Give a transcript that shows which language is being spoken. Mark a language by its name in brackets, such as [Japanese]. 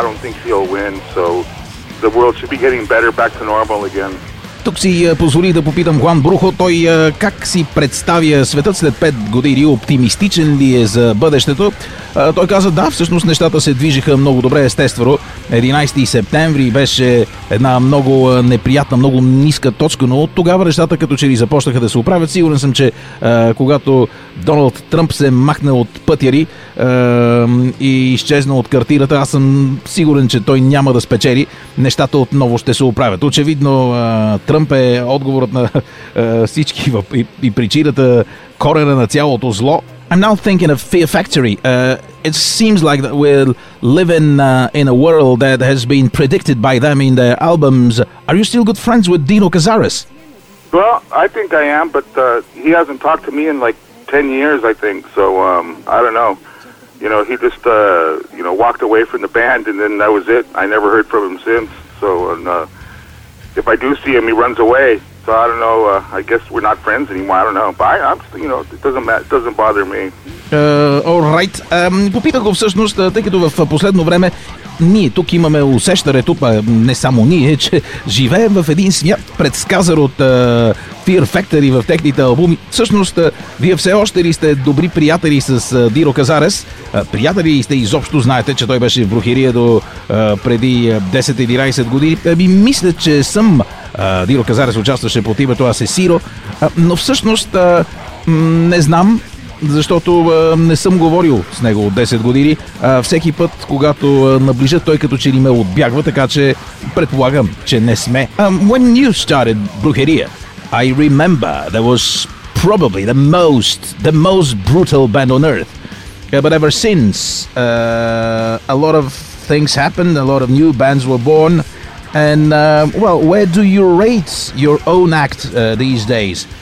[English] I don't think he'll win, so the world should be getting better back to normal again. [Bulgarian] Тук си позволи да попитам Хуан Брухо, той как си представя светът след 5 години, оптимистичен ли е за бъдещето? Той каза да, всъщност нещата се движиха много добре, естествено. 11 септември беше една много неприятна, много ниска точка, но от тогава нещата като че ли започнаха да се оправят. Сигурен съм, че когато Доналд Тръмп се махне от пътя ри и изчезна от картината, аз съм сигурен, че той няма да спечели, нещата отново ще се оправят. Очевидно, Тръмп е отговорът на всички и причината, корена на цялото зло. [English] I'm now thinking of Fear Factory. It seems like that we're living in a world that has been predicted by them in their albums. Are you still good friends with Dino Cazares? Well, I think I am, but he hasn't talked to me in like 10 years, I think. So, I don't know. You know, he just, walked away from the band and then that was it. I never heard from him since. So, if I do see him, he runs away. So I don't know, I guess we're not friends anymore, I don't know. But it doesn't bother me. Alright. [Bulgarian] Попитах го всъщност, тъй като в последно време ние тук имаме усещането, не само ние, че живеем в един свят предсказър от Fear Factory в техните албуми. Всъщност, вие все още ли сте добри приятели с Диро Казарес? Приятели сте изобщо, знаете, че той беше в Брухерия до преди 10-11 години. Мисля, че съм. Диро Казарес участваше под името Асесиро, но всъщност не знам, защото не съм говорил с него от 10 години. Всеки път, когато наближа, той като че ли ме отбягва, така че предполагам, че не сме. [English] When you started Brujeria, I remember there was probably the most brutal band on earth. But ever since, a lot of things happened, a lot of new bands were born. And, well, where do you rate your own act these days?